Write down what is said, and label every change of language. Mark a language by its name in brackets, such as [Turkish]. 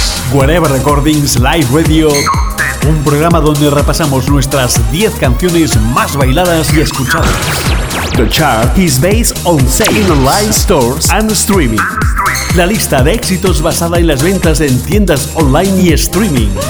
[Spanish] Guareber Recordings Live Radio, un programa donde repasamos nuestras 10 canciones más bailadas y escuchadas. [English] The chart is based on sales, online stores and streaming. [Spanish] La lista de éxitos basada en las ventas en tiendas online y streaming.